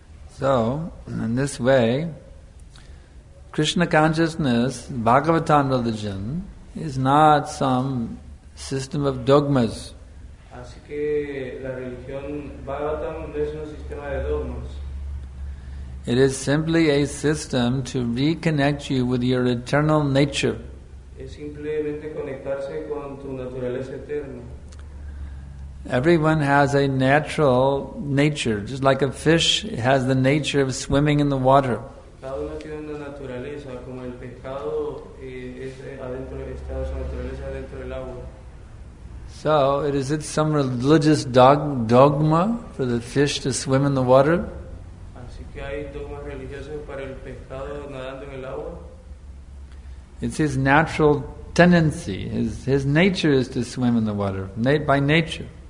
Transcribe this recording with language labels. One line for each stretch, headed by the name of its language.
English: So, in this way, Krishna consciousness, Bhagavatam religion, is not some system of dogmas.
Spanish: Así que la religión Bhagavatam no es un sistema de dogmas.
English: It is simply a system to reconnect you with your eternal nature.
Spanish: Es simplemente conectarse con tu naturaleza eterna.
English: Everyone has a natural nature, just like a fish has the nature of swimming in the water.
Spanish: Cada uno tiene una naturaleza, como el pescado está su naturaleza dentro del agua.
English: So, is it some religious dogma for the fish to swim in the water?
Spanish: Así que hay dogmas religiosos para el pescado nadando en el agua.
English: It's his natural tendency, his nature is to swim in the water, by nature.